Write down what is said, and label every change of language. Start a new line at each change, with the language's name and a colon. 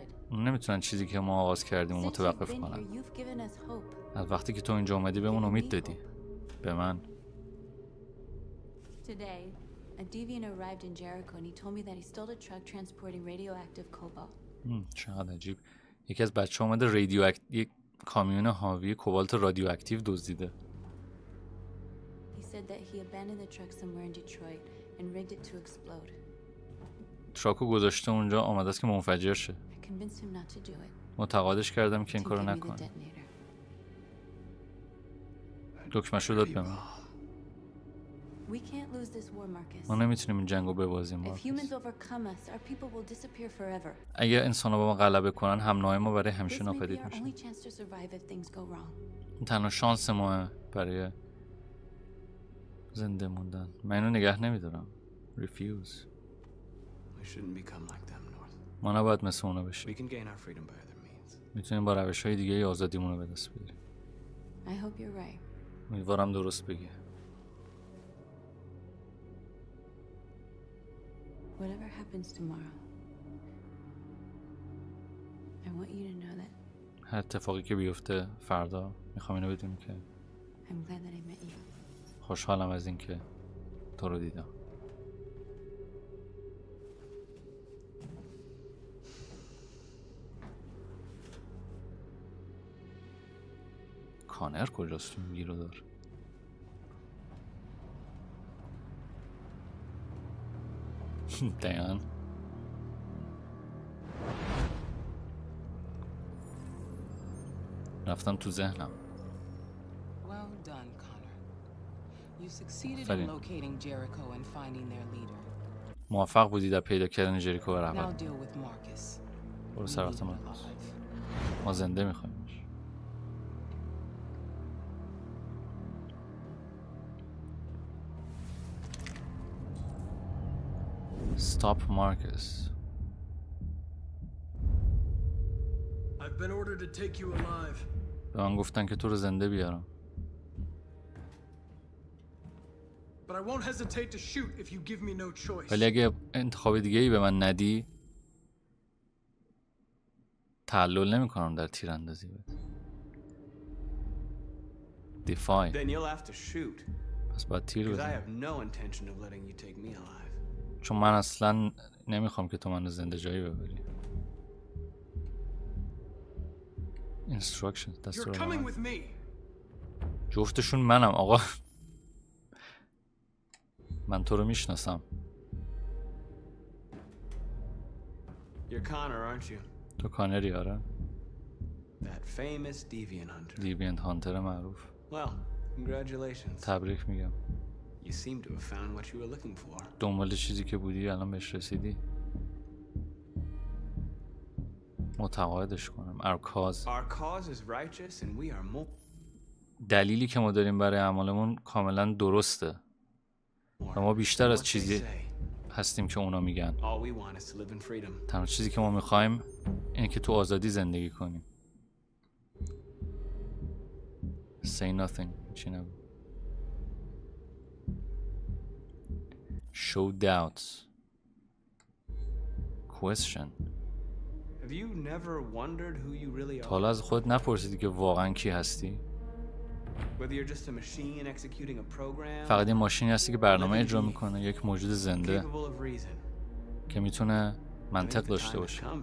Persian: اون نمیتونن چیزی که ما آغاز کردیم و متوقف کنن. از وقتی که تو اینجا اومدی بهمون امید دادی. به من.
English: A deviant arrived in Jericho and he told me that he stole a truck transporting radioactive cobalt.
Persian: چقدر عجیب. یکی از بچه‌ها اومده رادیواکتیو یک کامیون حاوی کوبالت رادیواکتیو دزدیده.
English: He said that he abandoned the truck somewhere in Detroit and rigged it to explode.
Persian: تراکو گذاشته اونجا آماده است که منفجر شه.
English: I convinced him not to do it.
Persian: متقاعدش کردم که این کارو نکنه. دکمه شو داد به من.
English: We can't lose this war, Marcus.
Persian: ما نمیتونیم این جنگو ببازیم.
English: If humans overcome us, our people will disappear forever.
Persian: اگر انسان‌ها به ما غلبه کنن، هم‌نوع ما برای همیشه ناپدید میشه.
English: This may be our only chance to survive if things go wrong.
Persian: تنها شانس ما برای زنده موندن. من اینو نگاه نمی‌دارم.
English: Refuse. We shouldn't become like them, North.
Persian: ما نباید مثل اونا بشیم.
English: We can gain our freedom by other means.
Persian: میتونیم با روش‌های دیگه آزادیمونو به دست بیاریم.
English: I hope you're right.
Persian: امیدوارم درست بگی.
English: Whatever happens tomorrow, I want you to know that.
Persian: هر اتفاقی که بیفته فردا میخوام اینو بدونی که.
English: I'm glad that I met you.
Persian: خوشحالم از اینکه تو رو دیدم. کانر کجاست؟ میگیره دار. دیان رفتم تو ذهنم.
English: Well done, Connor. You succeeded in locating Jericho and finding their leader.
Persian: موفق بودی در پیدا کردن جریکو و رهبر.
English: Now deal with Marcus.
Persian: برو سر وقت مارکوس. ما زنده میخوایمش.
English: Stop Marcus. I've been ordered to take you alive.
Persian: به من گفتن که تو رو زنده بیارم.
English: But I won't hesitate to shoot if you give me no choice.
Persian: ولی اگه انتخاب دیگه‌ای به من ندی تعلل نمی‌کنم در تیراندازی بهت.
English: Defy. Then you'll have to shoot.
Persian: پس باید تیر بزنی.
English: Because I have no intention of letting you take me alive.
Persian: چون من اصلا نمیخوام که تو منو زنده جایی ببری. instruction دستور جفتشون منم آقا. من تو رو میشناسم.
English: You're Connor, aren't you?
Persian: تو کانری آره.
English: That famous deviant hunter. Deviant hunter
Persian: معروف.
English: Well, congratulations.
Persian: تبریک میگم.
English: You seem to have found what you were looking for.
Persian: دنبال چیزی که بودی الان بهش رسیدی. متقاعدش کنم.
English: Our cause is righteous and we are more.
Persian: دلیلی که ما داریم برای اعمالمون کاملا درسته. و ما بیشتر از چیزی هستیم که اونا میگن.
English: All we want is to live in freedom.
Persian: تنها چیزی که ما میخوایم اینه که تو آزادی زندگی کنیم.
English: say nothing, you know. Show doubts. Question. Have you never wondered who you really are?
Persian: حالا از خود نپرسیدی که واقعا کی هستی؟
English: Whether you're just a machine executing a program.
Persian: فقط یه ماشینی هستی که برنامه اجرا میکنه، یک موجود زنده که میتونه منطق داشته باشه.